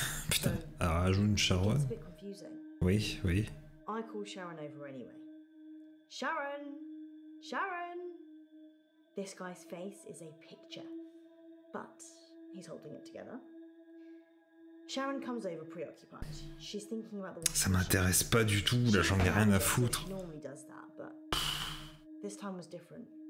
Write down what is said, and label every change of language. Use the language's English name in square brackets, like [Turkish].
[French] Putain, alors ajoute une Sharon. [English] It's a bit confusing. [French] Oui, oui. [English] I call Sharon over anyway. Sharon! Sharon! This guy's face is a picture, but he's holding it together. Sharon comes over preoccupied. She's thinking about the [French] ça m'intéresse pas du tout, là j'en ai rien à foutre. [English] Normally does that, but this time was different.